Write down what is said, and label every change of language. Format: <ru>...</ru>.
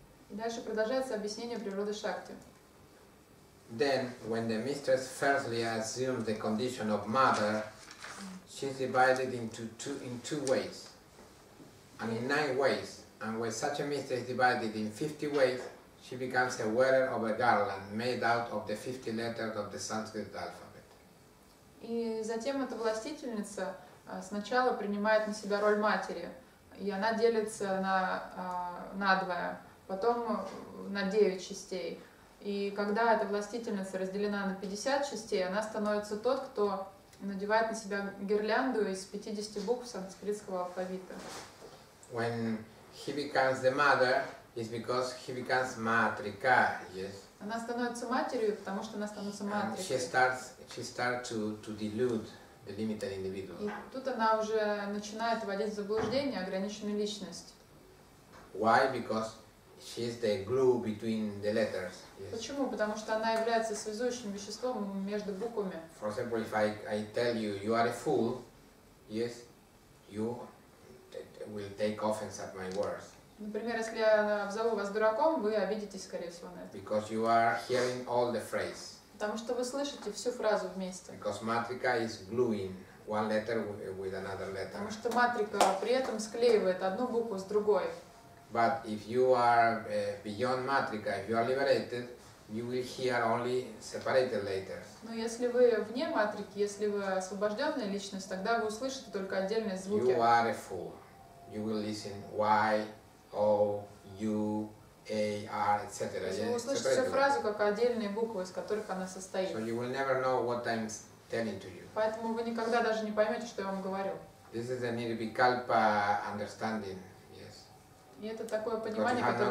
<ru>И дальше продолжается объяснение природы Шакти.</ru> <en>Then, when the mistress firstly assumes the condition of mother, she's divided into two ways, and in 9 ways. And when such a mistress is divided in 50 ways, she becomes a wearer of a garland made out of the 50 letters of the Sanskrit alphabet.</en> <ru>И затем эта властительница сначала принимает на себя роль матери, и она делится надвое, потом на 9 частей. И когда эта властительница разделена на 50 частей, она становится тот, кто надевает на себя гирлянду из 50 букв санскритского алфавита.</ru> <en>When he becomes the mother, it's because he becomes matrika, yes.</en> <ru>Она становится матерью, потому что она становится матрикой.</ru> <en>And she starts to delude the limited individual.</en> <ru>И тут она уже начинает вводить в заблуждение ограниченную личность.</ru> <en>Why? Because she is the glue between the letters. Yes.</en> <ru>Почему? Потому что она является связующим веществом между буквами.</ru> <en>For example, if I tell you you are a fool, yes, you will take offense at my words.</en> <ru>Например, если я назову вас дураком, вы обидитесь, скорее всего, на это.</ru> <en>Because you are hearing all the phrase.</en> <ru>Потому что вы слышите всю фразу вместе.</ru> <en>Because matrika is gluing one letter with another letter.</en> <ru>Потому что матрика при этом склеивает одну букву с другой.</ru> <en>But if you are beyond matrika, if you are liberated, you will hear only separated letters.</en> <ru>Но если вы вне матрики, если вы освобожденная личность, тогда вы услышите только отдельные звуки.</ru> <en>You are a fool. You will listen Y, O, U, A, R, etc.</en> <ru>Вы услышите фразу как отдельные буквы, из которых она состоит.</ru> <en>So you will never know what I'm telling to you.</en> <ru>Поэтому вы никогда даже не поймете, что я вам говорю.</ru> <en>This is a nirvikalpa understanding.</en> <ru>И это такое понимание, которое</ru>